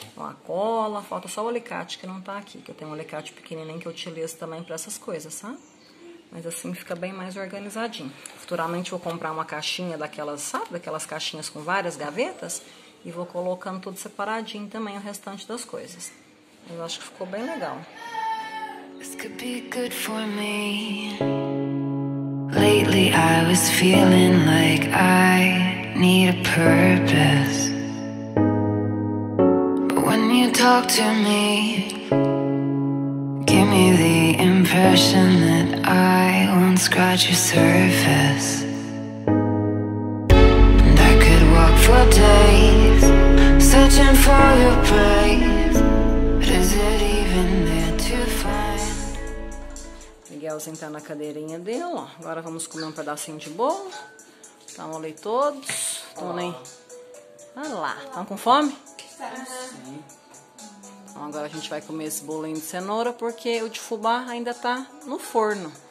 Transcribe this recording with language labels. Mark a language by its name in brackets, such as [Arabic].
[Portuguese] Ó, a cola, falta só o alicate que não tá aqui, que eu tenho um alicate pequenininho que eu utilizo também pra essas coisas, sabe? Mas assim fica bem mais organizadinho. Futuramente vou comprar uma caixinha daquelas, sabe? Daquelas caixinhas com várias gavetas e vou colocando tudo separadinho também o restante das coisas. Eu acho que ficou bem legal. [English] This could be good for me. Lately I was feeling like I need a purpose. Talk to me, give me the impression that I won't scratch your surface. And I could walk for days searching for your praise. But is it even there to find? [Portuguese] Miguel sentando na cadeirinha dele, ó. Agora vamos comer um pedacinho de bolo. Estão ali todos. Estão ali. Olha lá. Estão com fome? Sim. Então agora a gente vai comer esse bolinho de cenoura, porque o de fubá ainda tá no forno.